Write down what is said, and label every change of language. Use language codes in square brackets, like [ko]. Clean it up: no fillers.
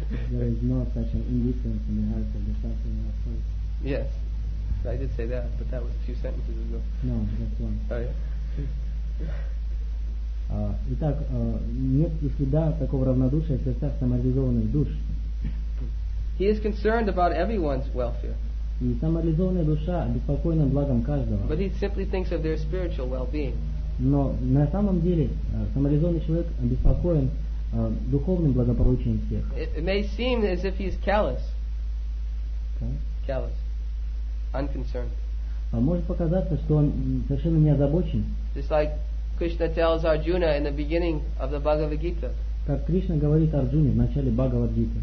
[en] There is no such an indifference in the heart of the self-realized soul. Yes, I did say that, but that was a few sentences ago. No, that's one. Oh, yeah? [ru] Итак, нет и следа такого равнодушия в сердцах самореализованных душ. [en] He is concerned about everyone's welfare. [ru] И самореализованная душа обеспокоена благом каждого. [en] But he simply thinks of their spiritual well-being. [ru] Но на самом деле самореализованный человек обеспокоен духовным благополучием всех. [en] It may seem as if he is callous. Okay. Callous. Unconcerned. [ru] Может показаться, что он совершенно не озабочен. [en] Just like Krishna tells Arjuna in the beginning of the Bhagavad Gita. [ru] Как Кришна говорит Арджуне в начале Бхагавад Гиты.